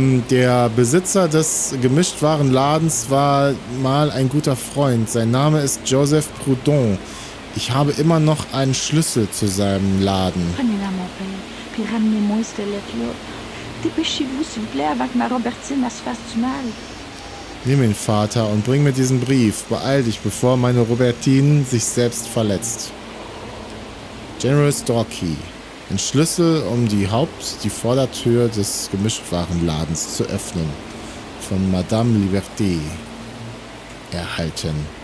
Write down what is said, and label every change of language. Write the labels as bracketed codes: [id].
[de] Der Besitzer des Gemischtwarenladens war mal ein guter Freund. Sein Name ist Joseph Prudhomme. Ich habe immer noch einen Schlüssel zu seinem Laden. [fr] Prenez-la, mon père, puis ramenez-moi cette lettre-là. Dépêchez-vous, s'il vous plaît, avant que ma Robertine se fasse du mal. [de] Nimm ihn, Vater, und bring mir diesen Brief. Beeil dich, bevor meine Robertine sich selbst verletzt. General Storky. Ein Schlüssel, um die Vordertür des Gemischtwarenladens zu öffnen. Von Madame Liberté erhalten.